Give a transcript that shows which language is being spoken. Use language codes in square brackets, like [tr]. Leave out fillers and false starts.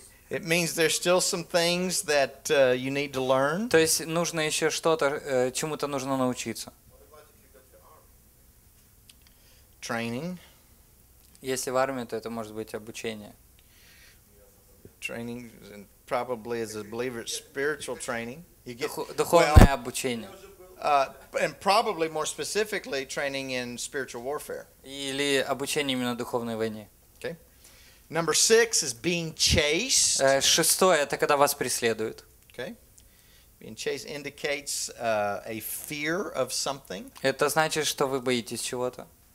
[en] It means there's still some things that you need to learn. [ru] То есть нужно еще что-то, чему-то нужно научиться. [en] Training. [ru] Если в армии, то это может быть обучение. [en] Training probably as a believer, it's spiritual training. You get, [ru] духовное [en] well, [ru] обучение. [en] And probably more specifically, training in spiritual warfare. [ru] Или обучение именно духовной войне. [en] Okay. Number six is being chased. [ru] Шестое это когда вас преследуют. [en] Okay. Being chased indicates a fear of something. [ru] Это значит, что вы боитесь чего-то.